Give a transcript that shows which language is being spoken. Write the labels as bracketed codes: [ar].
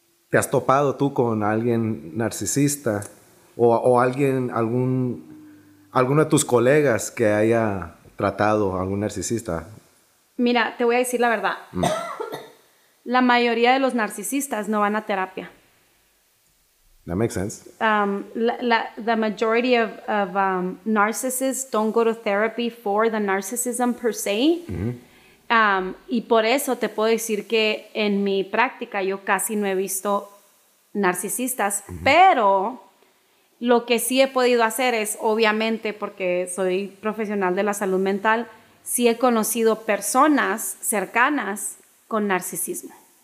[es] ¿Te has topado tú con alguien narcisista o alguien, alguno de tus colegas que haya tratado a algún narcisista? Mira, te voy a decir la verdad. La mayoría de los narcisistas no van a terapia. [en] That makes sense. The majority of narcissists don't go to therapy for the narcissism per se. Mm-hmm. [es] Y por eso te puedo decir que en mi práctica yo casi no he visto narcisistas. Mm-hmm. Pero lo que sí he podido hacer es, obviamente, porque soy profesional de la salud mental, sí he conocido personas cercanas con narcisismo.